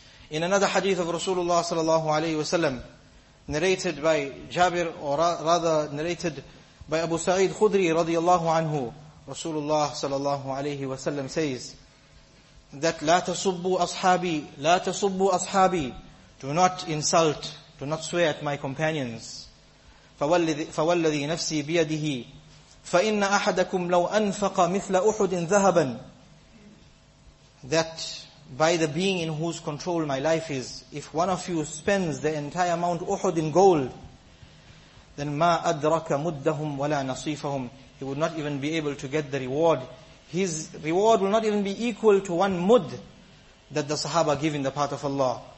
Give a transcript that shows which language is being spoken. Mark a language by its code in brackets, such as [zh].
[en] In another hadith of Rasulullah sallallahu alayhi wa sallam, narrated by Jabir, or rather narrated by Abu Sa'id Khudri radiallahu anhu, Rasulullah sallallahu alayhi wa sallam says, that [ar] لا تصبوا أصحابي, لا تصبوا أصحابي. [en] Do not insult, do not swear at my companions. [ar] فوالذي نفسي بيده فَإِنَّ أَحَدَكُمْ لَوْ أَنفَقَ مِثْلَ أُحُدٍ ذَهَبًا. [en] That by the being in whose control my life is, if one of you spends the entire amount Uhud in gold, then [ar] مَا أَدْرَكَ مُدَّهُمْ وَلَا نَصِيفَهُمْ. [en] He would not even be able to get the reward. His reward will not even be equal to one mud that the Sahaba give in the path of Allah.